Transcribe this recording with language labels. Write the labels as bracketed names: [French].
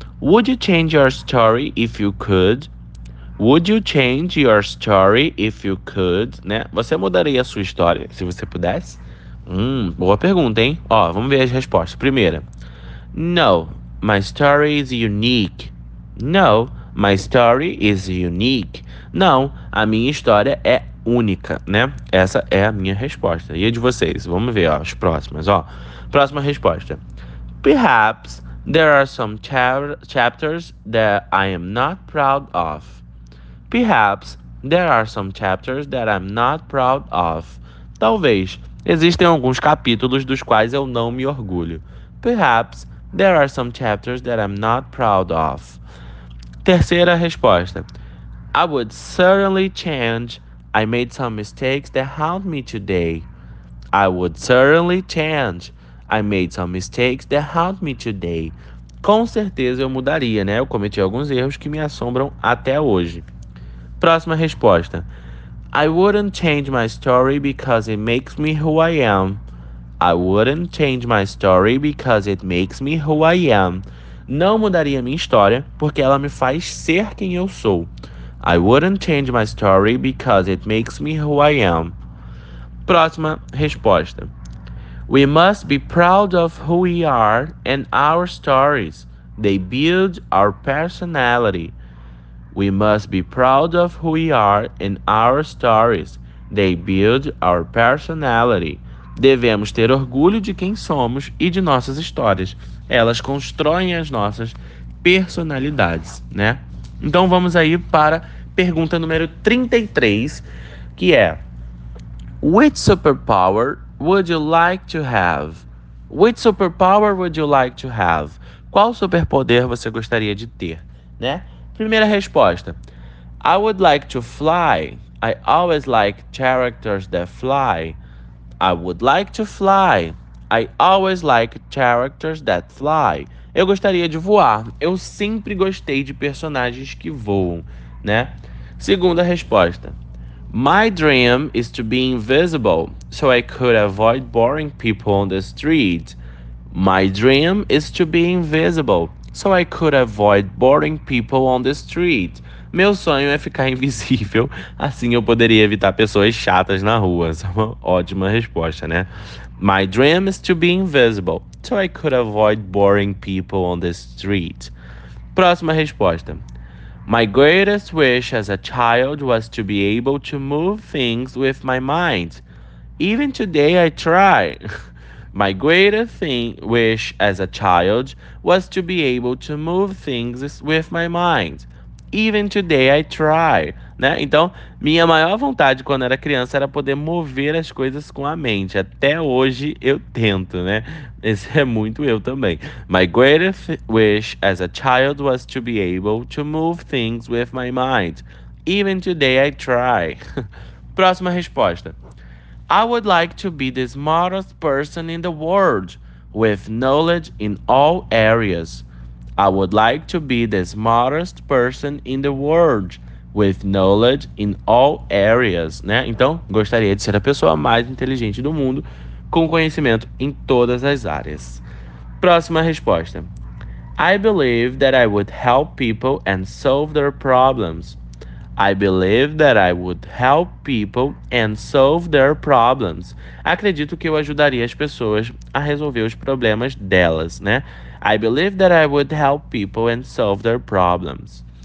[English] Would you change your story if you could? Would you change your story if you could? [Portuguese] Né? Você mudaria a sua história se você pudesse? Boa pergunta, hein? Ó, vamos ver as respostas. Primeira. [English] No, my story is unique. [Portuguese] No, my story is unique. Não, a minha história é única, né? Essa é a minha resposta. E a de vocês? Vamos ver, ó, as próximas, ó. Próxima resposta. [English] Perhaps there are some chapters that I am not proud of. Perhaps there are some chapters that I'm not proud of. [Portuguese] Talvez existem alguns capítulos dos quais eu não me orgulho. [English] Perhaps there are some chapters that I'm not proud of. [Portuguese] Terceira resposta. [English] I would certainly change. I made some mistakes that haunt me today. I would certainly change. I made some mistakes that haunt me today. [Portuguese] Com certeza eu mudaria, né? Eu cometi alguns erros que me assombram até hoje. Próxima resposta. [English] I wouldn't change my story because it makes me who I am. I wouldn't change my story because it makes me who I am. [Portuguese] Não mudaria minha história porque ela me faz ser quem eu sou. [English] I wouldn't change my story because it makes me who I am. [Portuguese] Próxima resposta. [English] We must be proud of who we are and our stories. They build our personality. We must be proud of who we are and our stories. They build our personality. [Portuguese] Devemos ter orgulho de quem somos e de nossas histórias. Elas constroem as nossas personalidades, né? Então vamos aí para pergunta número 33, que é: [English] Which superpower would you like to have? Which superpower would you like to have? [Portuguese] Qual superpoder você gostaria de ter, né? Primeira resposta. [English] I would like to fly. I always like characters that fly. I would like to fly. I always like characters that fly. [Portuguese] Eu gostaria de voar. Eu sempre gostei de personagens que voam, né? Segunda resposta. [English] My dream is to be invisible so I could avoid boring people on the street. My dream is to be invisible so I could avoid boring people on the street. [Portuguese] Meu sonho é ficar invisível, assim eu poderia evitar pessoas chatas na rua. Essa é uma ótima resposta, né? [English] My dream is to be invisible so I could avoid boring people on the street. [Portuguese] Próxima resposta. [English] My greatest wish as a child was to be able to move things with my mind. Even today I try. My greatest wish as a child was to be able to move things with my mind. Even today I try. Né? [Portuguese] Então, minha maior vontade quando era criança era poder mover as coisas com a mente. Até hoje eu tento, né? Esse é muito eu também. [English] My greatest wish as a child was to be able to move things with my mind. Even today I try. [Portuguese] Próxima resposta. [English] I would like to be the smartest person in the world, with knowledge in all areas. I would like to be the smartest person in the world, with knowledge in all areas, né? [Portuguese] Então, gostaria de ser a pessoa mais inteligente do mundo, com conhecimento em todas as áreas. Próxima resposta. [English] I believe that I would help people and solve their problems. I believe that I would help people and solve their problems. [Portuguese] Acredito que eu ajudaria as pessoas a resolver os problemas delas, né? [English] I believe that I would help people and solve their problems.